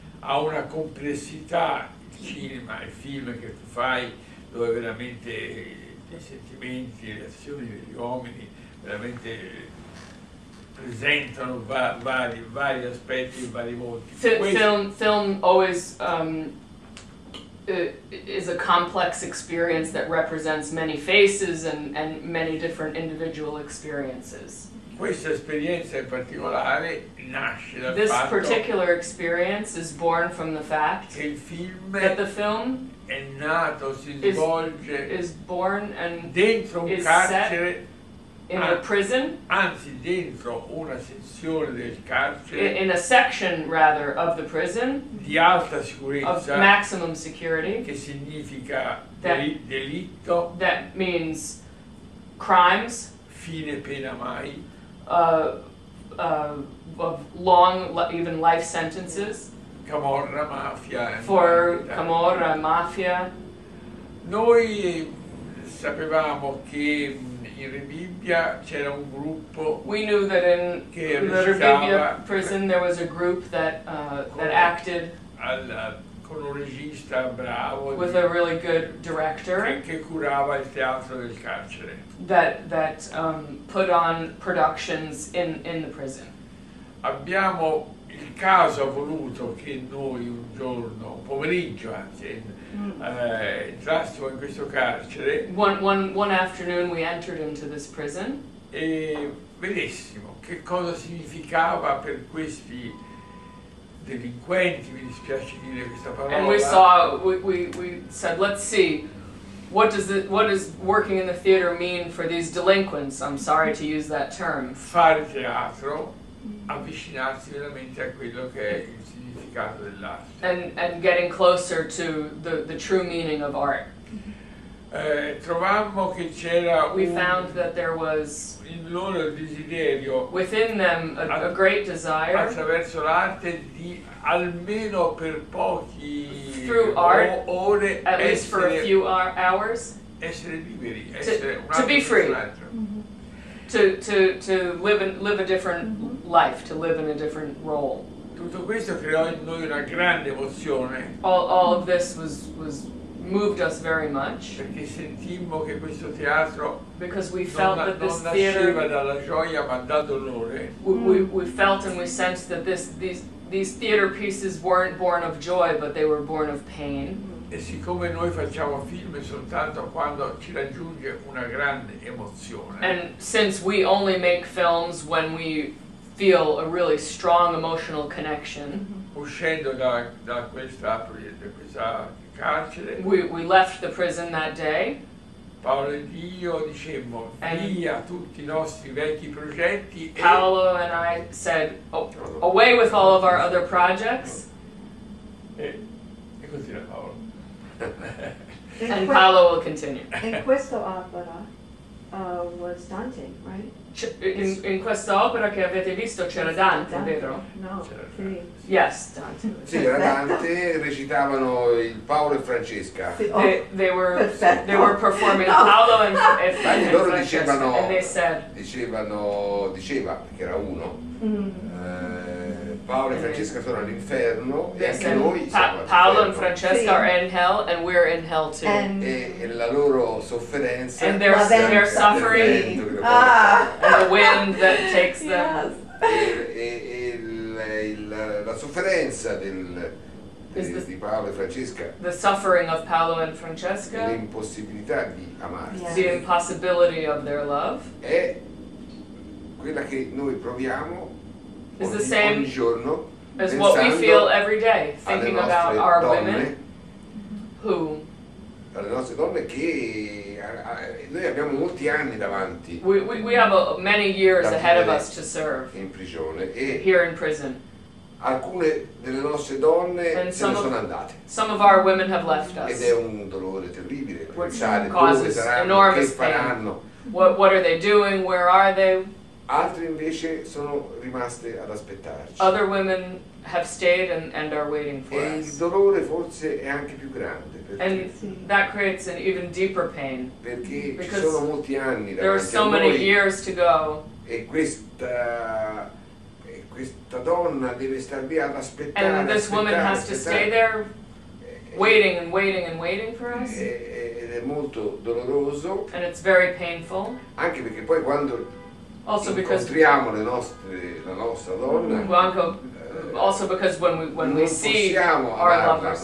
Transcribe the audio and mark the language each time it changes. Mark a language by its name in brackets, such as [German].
[Italian] Ha una complessità, il cinema, il film che tu fai, dove veramente i sentimenti, le azioni degli uomini veramente presentano vari aspetti, vari volti. [English] Film always is a complex experience that represents many faces and many different individual experiences. [Italian] Questa esperienza in particolare nasce dal [English] this [Italian] fatto [English] particular experience is born from the fact [Italian] che il film [English] that the film [Italian] è nato, si svolge [English] is born and [Italian] dentro un [English] is [Italian] carcere, [English] set in a prison, [Italian] anzi dentro una sezione del carcere, [English] in a section rather of the prison [Italian] di alta sicurezza, [English] of maximum security, [Italian] che significa delitto, [English] that means crimes, [Italian] fine pena mai. [English] Of long, even life sentences. [Italian] Camorra, mafia. [English] For camorra, mafia. [Italian] Noi sapevamo che in Rebibbia c'era un gruppo. [English] We knew that in the Rebibbia prison there was a group that that acted. [Italian] Con un regista bravo. [English] With a really good director. [Italian] Che curava il teatro del carcere. [English] That put on productions in the prison. [Italian] Abbiamo, il caso ha voluto che noi un giorno, pomeriggio anzi, entrassimo in questo carcere. [English] One afternoon we entered into this prison. [Italian] E vedessimo che cosa significava per questi delinquenti, mi dispiace dire questa parola. [English] And we said, let's see. What does working in the theater mean for these delinquents? I'm sorry to use that term. [Italian] Fare teatro, avvicinarsi veramente a quello che è il significato dell'arte. [English] And getting closer to the true meaning of art. [Italian] Trovammo che c'era [English] we found that there was [Italian] in loro desiderio [English] within them a great desire [Italian] attraverso l'arte di almeno per pochi [English] through art, [Italian] ore [English] at least for a few hours [Italian] essere liberi, [English] to be free, to live a different life, to live in a different role. [Italian] Tutto questo creò in noi una grande emozione. [English] All of this was moved us very much. [Italian] Perché sentimmo che questo teatro [English] because we felt [Italian] non, [English] that this [Italian] non [English] theater [Italian] dalla gioia, ma dal dolore. [English] We felt and we sensed that these theater pieces weren't born of joy, but they were born of pain. [Italian] E siccome noi facciamo film soltanto quando ci raggiunge una grande emozione. [English] And since we only make films when we feel a really strong emotional connection. [Italian] Uscendo da questa carcere. [English] We left the prison that day. [Italian] Paolo ed io dicemmo via tutti I nostri vecchi progetti. [English] Paolo and I said away with all of our other projects. [Italian] E così era Paolo. [English] And Paolo will continue. [Italian] In questa opera [English] was Dante, right? [Italian] In questa opera che avete visto c'era Dante, Dante. Vero? No, sì. [English] Yes, Dante. [Italian] Sì, era Dante, recitavano il Paolo e Francesca. [English] They were performing no. Paolo and Francesca. [Italian] Loro Francesca, dicevano, [English] and they said, [Italian] dicevano, diceva, perché era uno, Paolo e Francesca sono all'inferno e anche noi siamo [English] Paolo and Francesca [Italian] sì. [English] Are in hell and we're in hell too. [Italian] E la loro sofferenza [English] and their suffering and the wind that takes them. Yes. [Italian] La sofferenza di Paolo e Francesca. [English] The suffering of Paolo and Francesca. [Italian] L'impossibilità di amarsi. [English] Yes. The impossibility of their love. [Italian] È quella che noi proviamo. [English] Is the same [Italian] ogni giorno, [English] as what we feel every day, thinking about our women, who. [Italian] Alle nostre donne che noi abbiamo molti anni davanti. [English] We have many years ahead of us to serve. [Italian] In prigione e [English] here in prison. [Italian] Alcune delle nostre donne se ne sono andate. Some of our women have left us. Ed è un dolore terribile pensare dove saranno, che faranno. [English] What are they doing? Where are they? [Italian] Altre invece sono rimaste ad aspettarci. [English] Other women have stayed and are waiting for us. [Italian] E il dolore forse è anche più grande. Perché [English] and that creates an even deeper pain. [Italian] Perché ci sono molti anni davanti a noi. [English] There are so many years to go. [Italian] E questa donna deve star via ad aspettare. [English] And this woman has to stay there waiting and waiting and waiting for us. [Italian] Ed è molto doloroso. [English] And it's very painful. [Italian] Anche perché poi quando [English] also because [Italian] incontriamo le nostre, la nostra donna. [English] Also because when we see our lovers,